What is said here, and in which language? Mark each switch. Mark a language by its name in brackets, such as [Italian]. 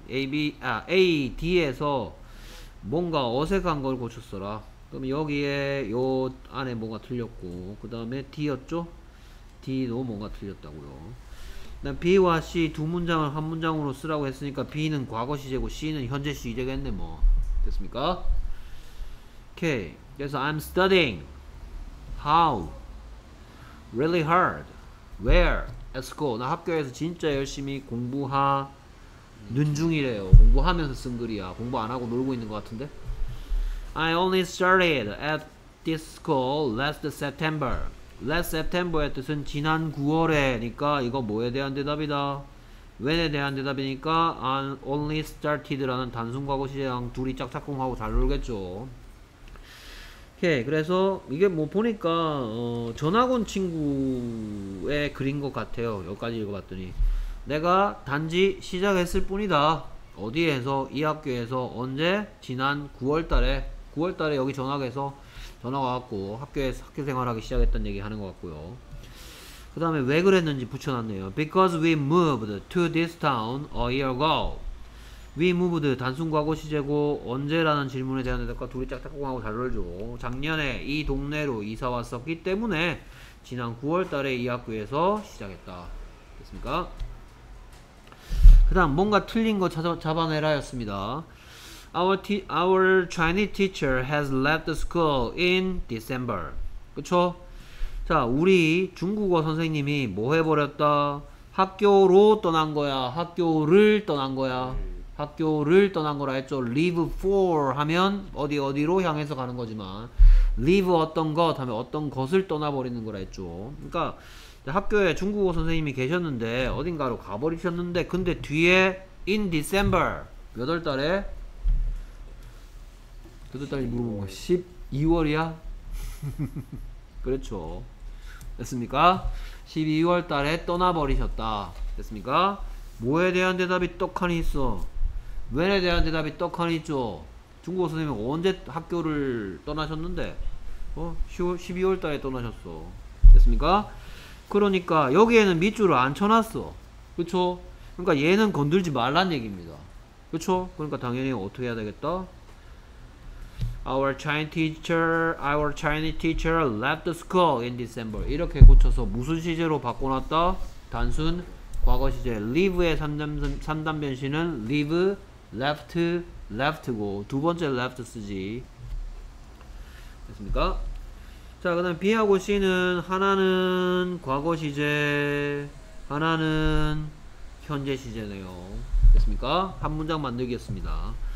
[Korean] A, D에서 뭔가 어색한 걸 고쳤어라. 그럼 여기에 요 안에 뭔가 틀렸고 그 다음에 D였죠? D도 뭔가 틀렸다고요. B와 C 두 문장을 한 문장으로 쓰라고 했으니까 B는 과거 시제고 C는 현재 시제겠네 뭐. 됐습니까? 오케이. [English] 그래서 I'm studying how really hard where at school. [Korean] 나 학교에서 진짜 열심히 공부하는 중이래요. 공부하면서 쓴 글이야. 공부 안 하고 놀고 있는 것 같은데. [English] I only started at this school last September. [Korean] Last September의 뜻은 지난 9월에니까 이거 뭐에 대한 대답이다. When에 대한 대답이니까 [English] I only started [Korean] 라는 단순 과거 시제랑 둘이 짝짝꿍하고 잘 놀겠죠. 오케이. 그래서 이게 뭐 보니까 전학온 친구의 글인 것 같아요. 여기까지 읽어봤더니 내가 단지 시작했을 뿐이다. 어디에서 이 학교에서 언제 지난 9월달에 여기 전학해서 전화가 왔고 학교에서 학교 생활하기 시작했다는 얘기 하는 것 같고요. 그 다음에 왜 그랬는지 붙여놨네요. [English] Because we moved to this town a year ago. We moved [Korean] 단순 과거 시제고 언제라는 질문에 대한 대답과 둘이 짝짝꿍하고 잘 놀죠. 작년에 이 동네로 이사 왔었기 때문에 지난 9월 달에 이 학교에서 시작했다. 됐습니까? 그 다음 뭔가 틀린 거 잡아내라 였습니다. [English] Our Chinese teacher has left the school in December. [Korean] 그쵸? 자, 우리 중국어 선생님이 뭐 해버렸다? 학교로 떠난 거야. 학교를 떠난 거야. 학교를 떠난 거라 했죠. [English] Leave for [Korean] 하면 어디 어디로 향해서 가는 거지만 leave 어떤 것 하면 어떤 것을 떠나버리는 거라 했죠. 그러니까 학교에 중국어 선생님이 계셨는데 어딘가로 가버리셨는데 근데 뒤에 [English] in December [Korean] 몇월 달에 몇월 달에 물어본 거 12월이야? 그렇죠. 됐습니까? 12월 달에 떠나버리셨다. 됐습니까? 뭐에 대한 대답이 떡하니 있어? When에 대한 대답이 떡하니 있죠. 중국어 선생님이 언제 학교를 떠나셨는데 12월 달에 떠나셨어. 됐습니까? 그러니까 여기에는 밑줄을 안 쳐놨어. 그쵸? 그러니까 얘는 건들지 말란 얘기입니다. 그쵸? 그러니까 당연히 어떻게 해야 되겠다? [English] Our Chinese teacher left the school in December. [Korean] 이렇게 고쳐서 무슨 시제로 바꿔놨다? 단순 과거 시제 leave의 3단 변신은 [English] leave, left, left [Korean] 고 두 번째 left 쓰지. 됐습니까? 자, 그 다음 B하고 C는 하나는 과거 시제, 하나는 현재 시제네요. 됐습니까? 한 문장 만들겠습니다.